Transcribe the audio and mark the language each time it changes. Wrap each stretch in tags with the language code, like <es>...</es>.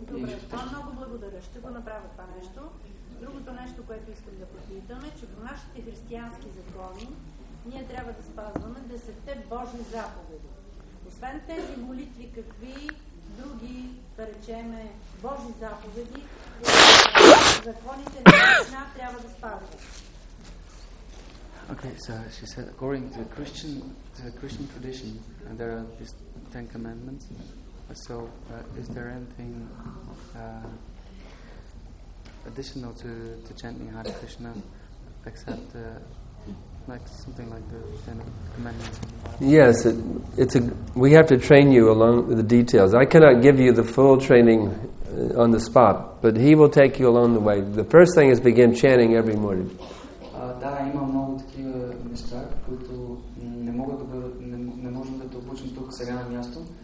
<bg>Добре, това много благодаря. Ще го направя това нещо. Другото нещо, което искам да попитам е, че по нашите християнски закони ние трябва да спазваме 10-те Божи заповеди. Освен тези молитви, какви</bg> <en>okay, so she said, according to the Christian tradition, there are these 10 commandments. So, is there anything additional to chanting Hare Krishna, except like something like the 10 commandments? Yes, we have to train you along with the details. I cannot give you the full training on the spot, but he will take you along the way. The first thing is begin chanting every morning.</en> <bg>Да, има много такива неща, които не можем да те обучим тук сега на място.</bg>